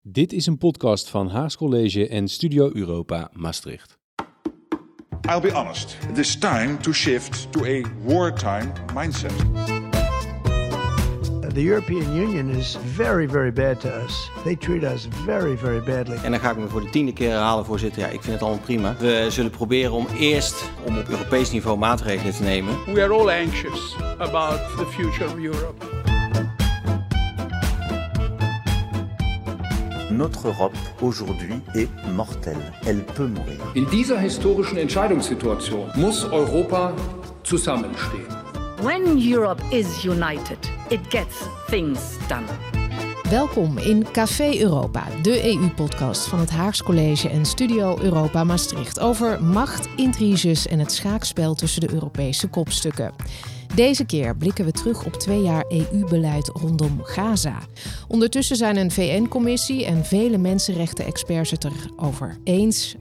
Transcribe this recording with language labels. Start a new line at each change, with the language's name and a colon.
Dutch: Dit is een podcast van Haags College en Studio Europa Maastricht.
English: I'll be honest, it is time to shift to a wartime mindset. The European Union is very, very bad to us. They treat us very, very badly.
Dutch: En dan ga ik me voor de tiende keer herhalen, voorzitter. Ja, ik vind het allemaal prima. We zullen proberen om eerst om op Europees niveau maatregelen te nemen.
English: We are all anxious about the future of Europe.
French: Notre Europe aujourd'hui est mortelle. Elle peut mourir.
German: In dieser historischen Entscheidungssituation muss Europa zusammenstehen.
English: When Europe is united, it gets things done.
Dutch: Welkom in Café Europa, de EU-podcast van het Haags College en Studio Europa Maastricht over macht, intriges en het schaakspel tussen de Europese kopstukken. Deze keer blikken we terug op 2 jaar EU-beleid rondom Gaza. Ondertussen zijn een VN-commissie en vele mensenrechten-experts het erover eens.